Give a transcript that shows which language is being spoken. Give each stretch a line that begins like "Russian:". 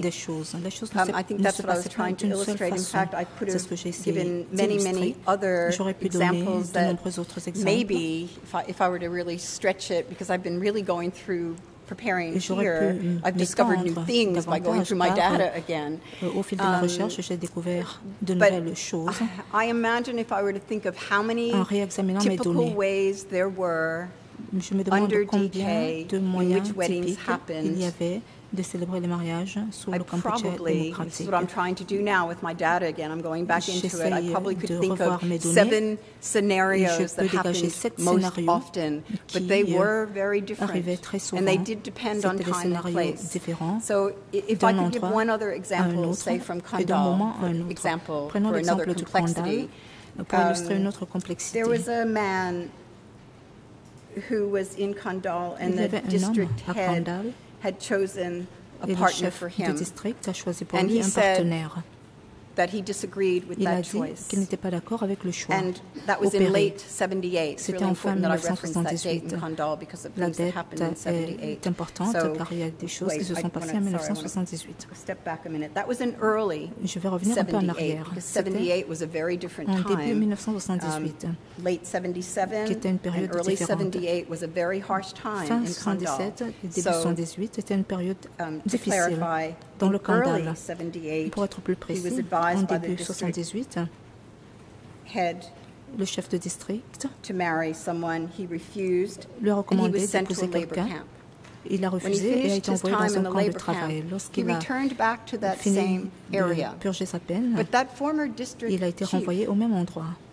English: I think that's what I was trying to illustrate. In fact, I could have given many, many other examples that maybe, if I were to really stretch it, because I've been really going through preparing here, I've discovered new things by going through my data again.
French: Au fil de la recherche, j'ai découvert de nouvelles choses.
English: I imagine if I were to think of how many typical ways there were under DK in which weddings happened,
French: de célébrer les mariages sous le camp démocratique.
English: This is what I'm trying to do now with my data again. I'm going back into it. I probably could think of seven scenarios that happened most often, but they were very different, and they did depend on time and place. So if I could give one other example, say from Kandal,
French: prenons l'exemple du Kandal pour illustrer une autre complexité.
English: There was a man who was in Kandal, and the district head had chosen a partner for him, and he said that he disagreed with that choice.
French: Qu'il n'était pas d'accord avec le choix.
English: And that was in late 78. It's really important that I referenced that date in Kandal because of things that happened in 78.
French: Est importante car il y a des choses qui se sont passées en 1978.
English: Step back a minute. That was an early 78. Because 78 was a very different time.
French: En début 1978.
English: Late 77 and early 78 was a very harsh time in Kandal.
French: Fin 1978 était une période difficile. Dans le Kandal, pour être plus précis, en début 1978, le chef de district lui a recommandé d'épouser quelqu'un. Il a refusé et a été envoyé dans un camp de travail. Lorsqu'il a fini de purger sa peine, il a été renvoyé au même endroit.